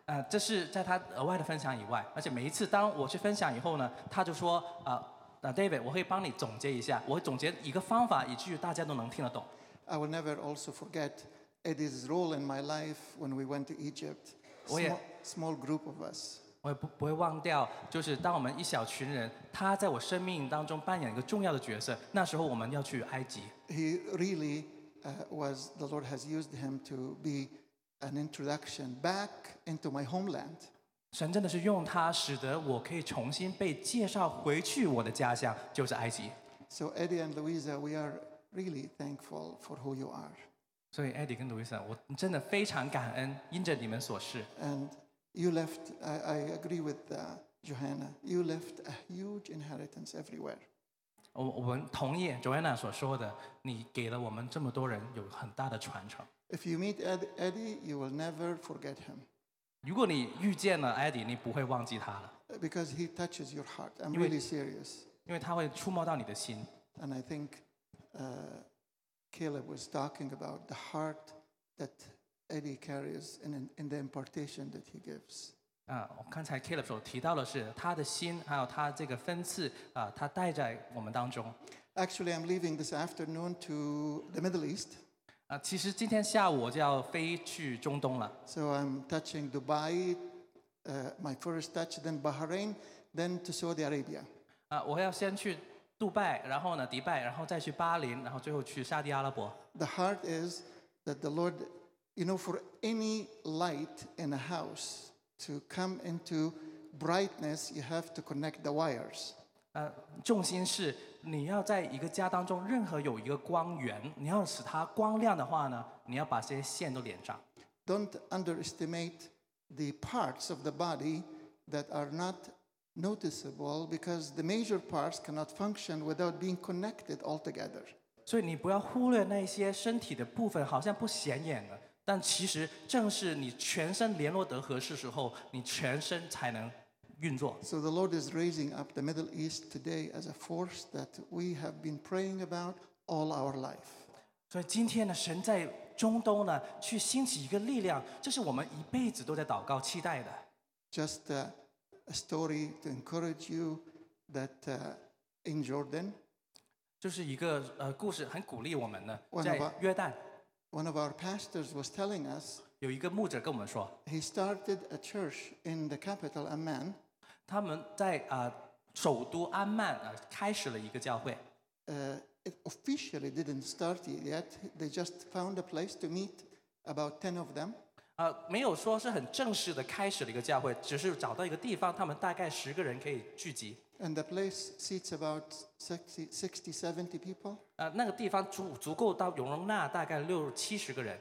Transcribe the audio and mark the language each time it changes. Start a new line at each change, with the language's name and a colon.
Chinese: 这是在他额外的分享以外而且每一次当我去分享以后呢他就说David, 我会帮你总结一下我会总结一个方法以至于大家都能听得懂。
English: I will never also forget Eddie's role in my life when we went to Egypt. Small group of us.
Chinese: 我也不会忘掉，就是当我们一小群人，他在我生命当中扮演一个重要的角色。那时候我们要去埃及。
English: He really was the Lord has used him to be an introduction back into my homeland.
Chinese: 神真的是用他，使得我可以重新被介绍回去我的家乡，就是埃及。
English: So Eddie and Louisa, we are. Really thankful for who you are.
Chinese: So Eddie and Louisa, 我真的非常感恩，因着你们所事。
English: And you left, I agree with Johanna. You left a huge inheritance everywhere.
Chinese: 我同意 Johanna 所说的，你给了我们这么多人有很大的传承。
English: If you meet Eddie, you will never forget him.
Chinese: 如果你遇见了 Eddie, 你不会忘记他了。
English: Because he touches your heart. I'm really serious.
Chinese: 因为他会触摸到你的心。
English: And I think. Caleb was talking about the heart that Eddie carries in the impartation that he gives.
Chinese: 刚才 Caleb 所提到的是他的心，还有他这个分赐，他带在我们当中。
English: Actually, I'm leaving this afternoon to the Middle East.
Chinese: 其实今天下午我就要飞去中东了。
English: So I'm touching Dubai, my first touch, then Bahrain, then to Saudi Arabia.
Chinese: 我要先去。杜拜，然后呢，迪拜，然后再去巴林，然后最后去沙地阿拉伯。
English: The heart is that the Lord, you know, for any light in a house to come into brightness, you have to connect the wires.
Chinese: 重心是你要在一个家当中，任何有一个光源，你要使它光亮的话呢，你要把这些线都连上。
English: Don't underestimate the parts of the body that are not. Noticeable because the major parts cannot function without being connected altogether. So you
Chinese: 不要忽略那些身体的部分好像不显眼了，但其实正是你全身联络得合适时候，你全身才能运作。
English: So the Lord is raising up the Middle East today as a force that we have been praying about all our life.
Chinese: 所以今天呢，神在中东呢去兴起一个力量，这是我们一辈子都在祷告期待的。
English: Just. A story to encourage you that in Jordan.
Chinese: 就是一个故事，很鼓励我们的，在约旦。
English: One of our pastors was telling us.
Chinese: 有一个牧者跟我们说。
English: He started a church in the capital Amman.
Chinese: 他们在首都安曼开始了一个教会。
English: It officially didn't start yet. They just found a place to meet about 10 of them.
Chinese: 没有说是很正式的开始了一个教会，只是找到一个地方，他们大概十个人可以聚集。
English: And the place seats about 60-70 people.
Chinese: 那个地方足够到容纳大概六七十个人。